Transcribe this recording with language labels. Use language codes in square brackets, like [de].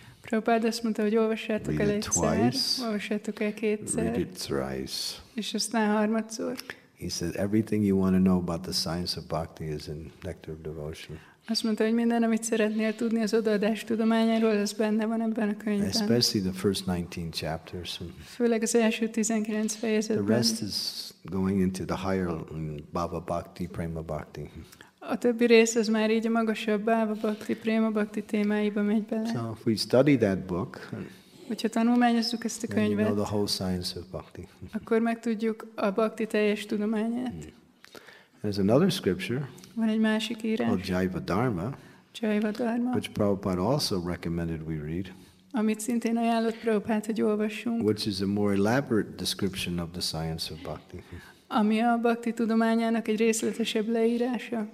[hu] Prabhupada azt mondta, hogy olvassátok el egyszer, olvassátok el kétszer. [en] Read it thrice. [hu] És aztán harmadszor. [en] He said, everything you want to know about the science of bhakti is in Nectar of Devotion. [hu] Azt mondta, hogy minden, amit szeretnél tudni az odaadás tudományáról, az benne van ebben a könyvben. [en] Especially the first 19 chapters. [hu] Főleg az első 19 fejezetben. [en] The rest is going into the higher bhava bhakti, prema bhakti. [hu] A többi rész az már így a magasabb bhava bhakti, prema bhakti témáiba megy bele. [en] So if we study that book, [hu] hogyha tanulmányozzuk ezt a könyvet, [en] then you know the whole science of bhakti. [hu] Akkor megtudjuk a bhakti teljes tudományát. [en] There's another scripture. [hu] Van egy másik írás. [en] Called Jaiva Dharma. [hu] Jaiva Dharma. [en] Which Prabhupada also recommended we read. [hu] Amit szintén ajánlott Prabhupada, hogy olvassunk. [en] Which is a more elaborate description of the science of bhakti. [hu] Ami a bhakti tudományának egy részletesebb leírása.